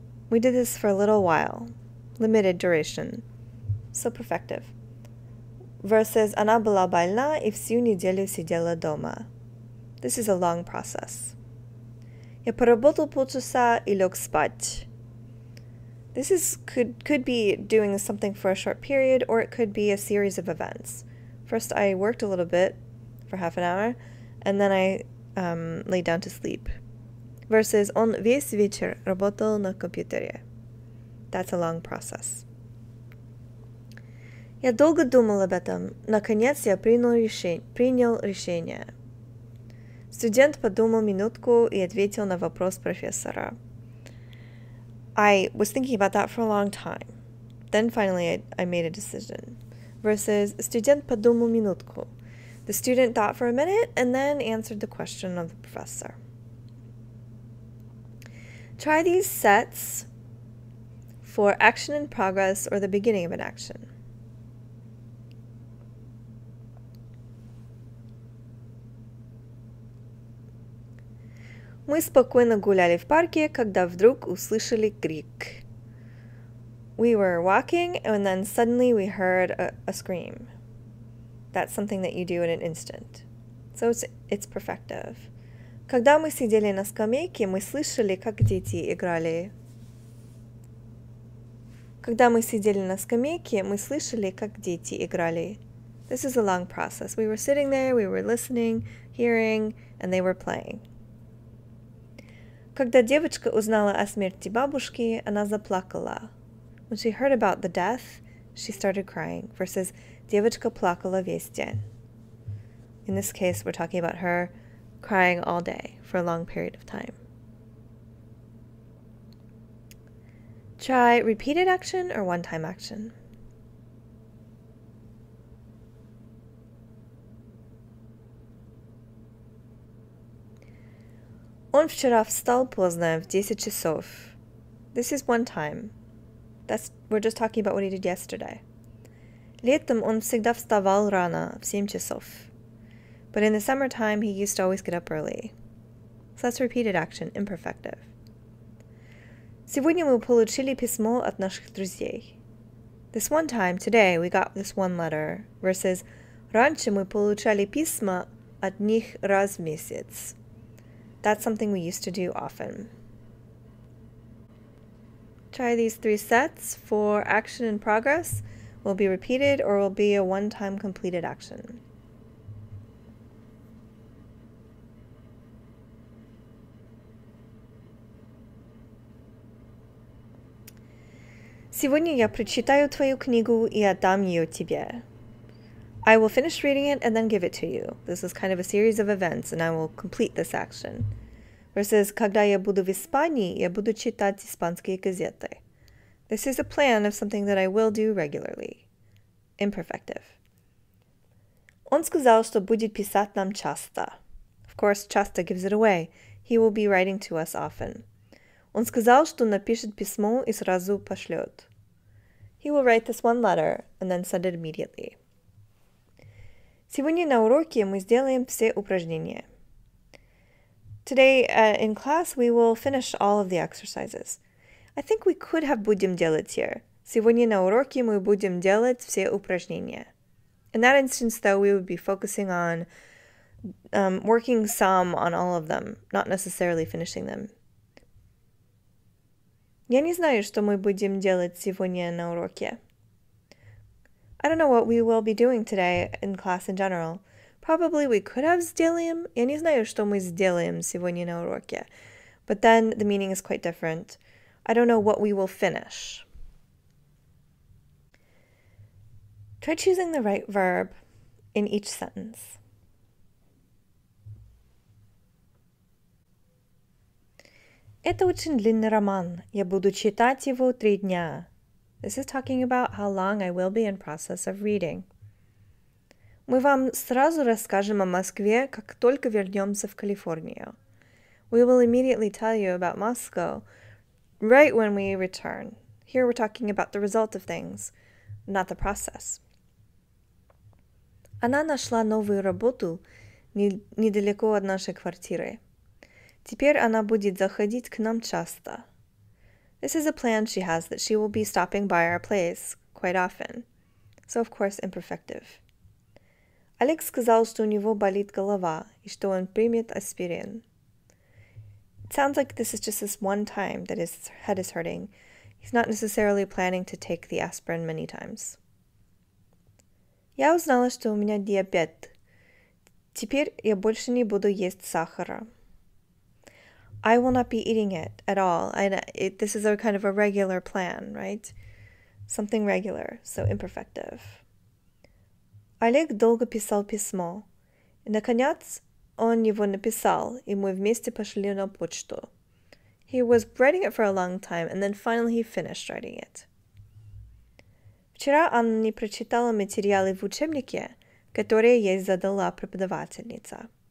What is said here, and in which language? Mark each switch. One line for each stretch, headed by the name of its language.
English: We did this for a little while. Limited duration. So perfective.
Russian: Versus она была больна и всю неделю сидела дома.
English: This is a long process.
Russian: Я поработал полчаса и лег спать.
English: This is could be doing something for a short period, or it could be a series of events. First I worked a little bit for half an hour, and then I lay down to sleep.
Russian: versus on весь вечер работал на компьютере.
English: That's a long process.
Russian: Я долго думал об этом. Наконец я принял решение. Студент подумал минутку и ответил на вопрос профессора.
English: I was thinking about that for a long time. Then finally I made a decision. Versus
Russian: студент подумал минутку.
English: The student thought for a minute and then answered the question of the professor. Try these sets for action in progress or the beginning of an action.
Russian: Мы спокойно гуляли в парке, когда вдруг услышали крик.
English: We were walking and then suddenly we heard a scream. That's something that you do in an instant. So it's perfective.
Russian: Когда мы сидели на скамейке, мы слышали, как дети играли. Когда мы сидели на скамейке, мы слышали, как дети играли.
English: This is a long process. We were sitting there, we were listening, hearing, and they were playing.
Russian: Когда девочка узнала о смерти бабушки, она заплакала.
English: When she heard about the death, she started crying.
Russian: Versus девочка плакала весь день.
English: In this case, we're talking about her crying all day for a long period of time. Try repeated action or one-time action.
Russian: Он вчера встал поздно в 10 часов.
English: This is one time. We're just talking about what he did yesterday.
Russian: Летом он всегда вставал рано в 7 часов.
English: But in the summertime, he used to always get up early. So that's repeated action, imperfective.
Russian: Сегодня мы получили письмо от наших друзей.
English: This one time, today, we got this one letter.
Russian: Versus, раньше мы получали письма от них раз в месяц.
English: That's something we used to do often. Try these three sets for action in progress. Will be repeated or will be a one-time completed action.
Russian: Сегодня я прочитаю твою книгу и отдам ее тебе.
English: I will finish reading it and then give it to you. This is kind of a series of events and I will complete this action.
Russian: Versus, когда я буду в Испании, я буду читать испанские газеты.
English: This is a plan of something that I will do regularly. Imperfective.
Russian: Он сказал, что будет писать нам часто.
English: Of course, часто gives it away. He will be writing to us often.
Russian: Он сказал, что напишет письмо и сразу пошлет.
English: He will write this one letter and then send it immediately.
Russian: Сегодня на уроке мы сделаем все упражнения.
English: Today in class, we will finish all of the exercises. I think we could have
Russian: будем делать
English: here.
Russian: Сегодня на уроке мы будем делать все упражнения.
English: In that instance, though, we would be focusing on working some on all of them, not necessarily finishing them.
Russian: Я не знаю, что мы будем делать сегодня на уроке.
English: I don't know what we will be doing today in class in general. Probably we could have сделаем.
Russian: Я не знаю, что мы сделаем сегодня на уроке.
English: But then the meaning is quite different. I don't know what we will finish. Try choosing the right verb in each sentence.
Russian: Это очень длинный роман. Я буду читать его 3 дня.
English: This is talking about how long I will be in process of reading.
Russian: Мы вам сразу расскажем о Москве, как только вернемся в Калифорнию.
English: We will immediately tell you about Moscow right when we return. Here we're talking about the result of things, not the process.
Russian: Она нашла новую работу недалеко от нашей квартиры. Теперь она будет заходить к нам часто.
English: This is a plan she has that she will be stopping by our place quite often. So, of course, imperfective.
Russian: Алекс сказал, что у него болит голова и что он примет аспирин.
English: It sounds like this is just this one time that his head is hurting. He's not necessarily planning to take the aspirin many times.
Russian: Я узнала, что у меня диабет. Теперь я больше не буду есть сахара.
English: I will not be eating it at all. This is a kind of a regular plan, right? Something regular, so imperfective.
Russian: Олег долго писал письмо. И, наконец, он его написал, и мы вместе пошли на почту.
English: He was writing it for a long time, and then finally he finished writing it.
Russian: Вчера Анна не прочитала материалы в учебнике, которые ей задала преподавательница.